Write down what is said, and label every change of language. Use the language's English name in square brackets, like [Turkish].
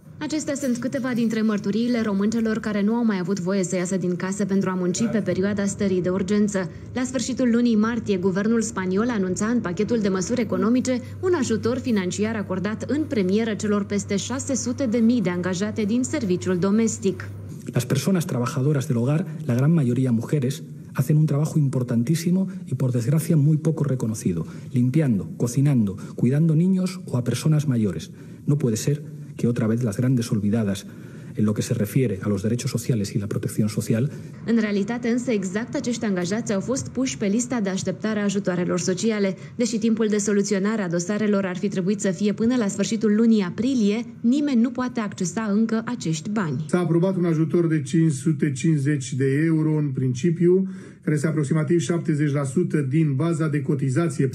[Romanian] Acestea sunt câteva dintre mărturiile româncelor care nu au mai avut voie să iasă din casă pentru a munci pe perioada stării de urgență. La sfârșitul lunii martie, guvernul spaniol anunța în pachetul de măsuri economice un ajutor financiar acordat în premieră celor peste 600.000 de angajate din serviciul domestic. [Spanish] Las personas trabajadoras del hogar, la gran mayoría mujeres, hacen un trabajo importantísimo y por desgracia muy poco reconocido, limpiando, cocinando, cuidando niños o a personas mayores. No puede ser que otra vez las grandes olvidadas en lo que se refiere a los derechos sociales y la protección social. [Romanian] În realitate însă exact acești angajați au fost puși pe lista de așteptare a ajutoarelor sociale. Deși timpul de soluționare a dosarelor ar fi trebuit să fie până la sfârșitul lunii aprilie, nimeni nu poate accesa încă acești bani. S-a aprobat un ajutor de 550 de euro în principiu, care este aproximativ 70% din baza de cotizație.